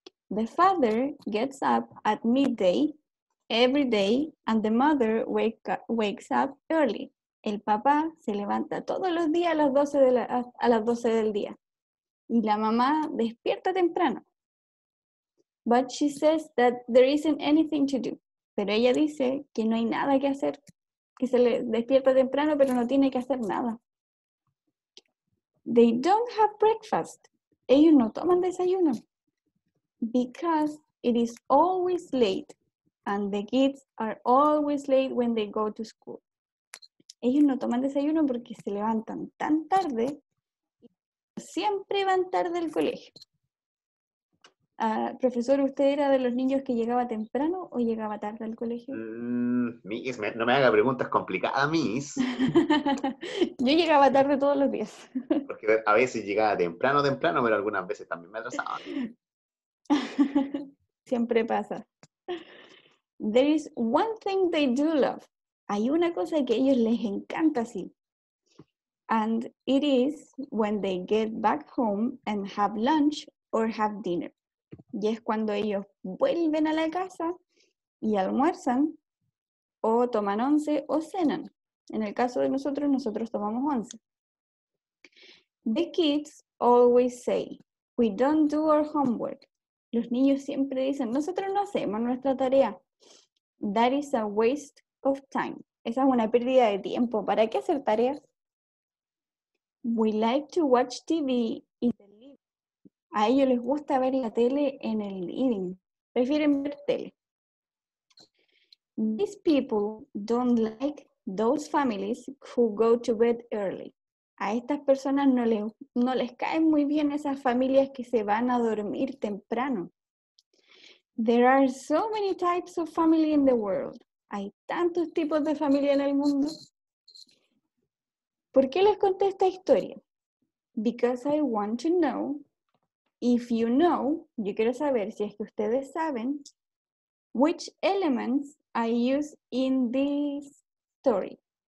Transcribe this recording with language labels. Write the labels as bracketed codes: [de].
[en] The father gets up at midday every day and the mother wakes up early. [es] El papá se levanta todos los días a las 12 de a las 12 del día. Y la mamá despierta temprano. [en] But she says that there isn't anything to do. [es] Pero ella dice que no hay nada que hacer. Que se le despierta temprano pero no tiene que hacer nada. [en] They don't have breakfast. [es] Ellos no toman desayuno. [en] Because it is always late and the kids are always late when they go to school. [es] Ellos no toman desayuno porque se levantan tan tarde y siempre van tarde al colegio. Profesor, ¿usted era de los niños que llegaba temprano o llegaba tarde al colegio? Miss, no me haga preguntas complicadas, Miss. Yo llegaba tarde todos los días. Porque a veces llegaba temprano, pero algunas veces también me atrasaba. Siempre pasa. [en] There is one thing they do love. [es] Hay una cosa que a ellos les encanta, sí. [en] And it is when they get back home and have lunch or have dinner. [es] Y es cuando ellos vuelven a la casa y almuerzan o toman once o cenan. En el caso de nosotros, nosotros tomamos once. [en] The kids always say, we don't do our homework. [es] Los niños siempre dicen, nosotros no hacemos nuestra tarea. [en] That is a waste of time. [es] Esa es una pérdida de tiempo. ¿Para qué hacer tareas? [en] We like to watch TV in the living. [es] A ellos les gusta ver la tele en el living. Prefieren ver tele. [en] These people don't like those families who go to bed early. [es] A estas personas no les caen muy bien esas familias que se van a dormir temprano. [en] There are so many types of family in the world. [es] Hay tantos tipos de familia en el mundo. ¿Por qué les conté esta historia? [en] Because I want to know if you know, [es] yo quiero saber si es que ustedes saben, [en] which elements I use in this story.